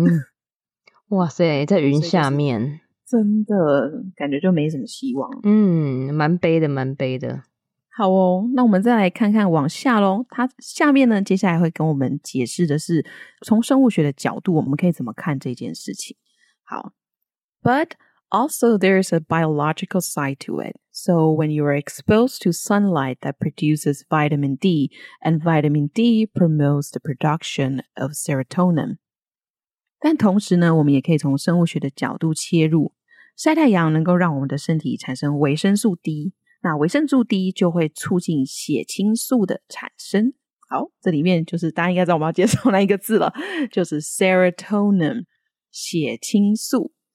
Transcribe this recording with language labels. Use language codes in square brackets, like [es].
[zh] 嗯。哇塞，在云下面，就是、真的感觉就没什么希望。嗯，蛮悲的，蛮悲的。好哦，那我们再来看看往下咯，它下面呢，接下来会跟我们解释的是，从生物学的角度，我们可以怎么看这件事情。 [en] 好 ，but also, there is a biological side to it. So when you are exposed to sunlight that produces vitamin D, and vitamin D promotes the production of serotonin. [zh] 但同时呢，我们也可以从生物学的角度切入，晒太阳能够让我们的身体产生维生素 D， 那维生素 D 就会促进血清素的产生。好，这里面就是大家应该知道我们要介绍哪一个字了，就是 serotonin， 血清素。